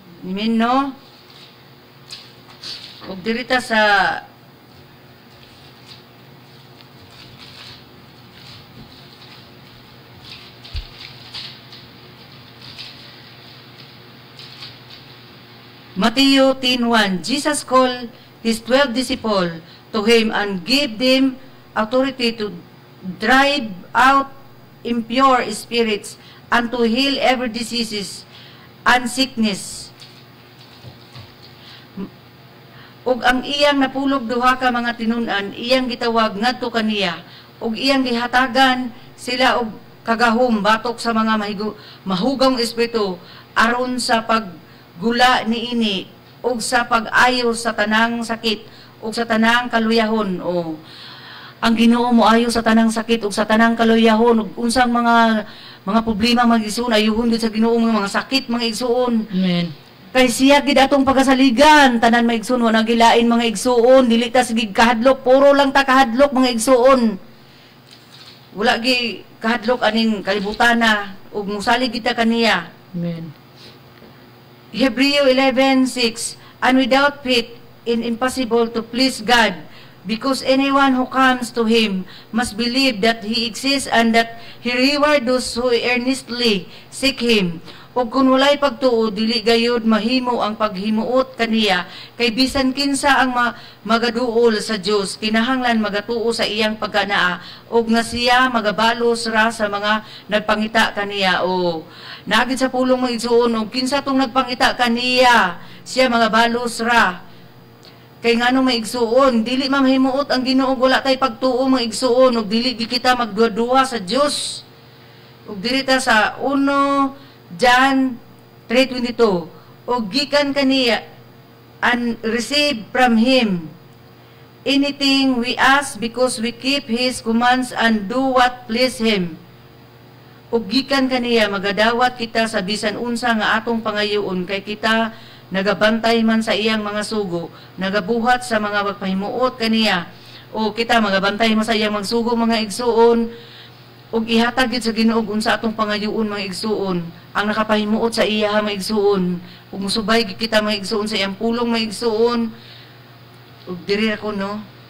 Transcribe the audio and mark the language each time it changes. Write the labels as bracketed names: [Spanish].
[Cebuano] amen no og dirita sa [English] Matthew 10:1 Jesus called his 12 disciples to him and gave them authority to drive out impure spirits and to heal every disease and sickness. [Cebuano] Ug ang iyang napulog duha ka mga tinun-an iyang gitawag ngadto kaniya ug iyang gihatagan sila og kagahom batok sa mga mahugang espiritu aron sa pag gula ni ini ug sa pag-ayo sa tanang sakit ug sa tanang kaluyahon o ang Ginoo mo ayo sa tanang sakit ug sa tanang kaluyahon ug unsang mga problema mag-isuon ayuhon gid sa Ginoo mga sakit mga igsuon amen kay siya gid atong pagasaligan tanan maigsuon wa nagilain mga igsuon dili ta sigig kahadlok puro lang ta kahadlok mga igsuon wala gi kahadlok aning kalibutana ug musalig kita kaniya amen [English] Hebrews 11:6 And without faith, it is impossible to please God, because anyone who comes to Him must believe that He exists and that He rewards those who earnestly seek Him. [Cebuano] Ug kun walay pagtuo, dili gayud mahimo ang paghimuot kaniya, kay bisan kinsa ang magaduol sa Dios, kinahanglan magatuo sa iyang pagkanaa, ug nga siya magabalos ra sa mga nagpangita kaniya. O, naagid sa pulong mga igsuon, ug kinsa tong nagpangita kaniya, siya magabalos ra. Kay ngano mga igsuon, dili mahimuot ang Ginoo, wala tay pagtuo mga igsuon, ug dili kita magduwa-duwa sa Dios. Ug dirita sa [English] 1 John 3:22 [Cebuano] Og gikan kaniya [English] and receive from him anything we ask because we keep his commands and do what please him. [Cebuano] Og gikan kaniya magadawat kita sa bisan unsa nga atong pangayoon kay kita nagabantay man sa iyang mga sugo, nagabuhat sa mga pagpahimuot kaniya. O kita magabantay man sa iyang mga sugo mga igsuon. Og ihatag gyud sa Ginoo unsa atong pangayoon mga igsuon ang nakapahimuot sa iya mga igsuon ug musubay gyud kita mga igsuon sa iyang pulong mga igsuon ug diri ra ko no